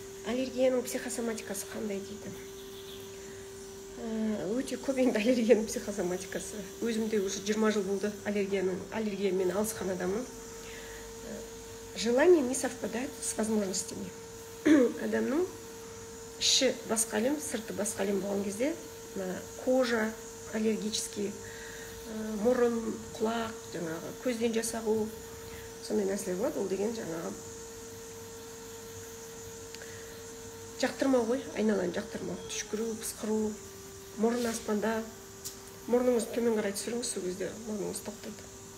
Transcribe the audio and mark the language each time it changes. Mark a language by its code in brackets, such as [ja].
[kk] Аллергияның психосоматикасы қандай дейді? Өте көп енді аллергияның психосоматикасы. Өзімде осы 20 жыл болды аллергияның, аллергиямен алысқан адамын. [ru] Желание не совпадает с возможностями. [kk] Адамның іші басқа әлем, сырты басқа әлем болған кезде, [ru] кожа аллергический, [kk] мұрын, құлақ, жаңағы көзден жас ағу, сондай нәрселер болады, ол деген жаңағы жақтырмау ғой, айналайын жақтырмау, түшкіру, пысқыру, мұрын аспанда, мұрныңыз төмен қарай түсіріңіз, сол кезде мұрныңыз тоқтайды.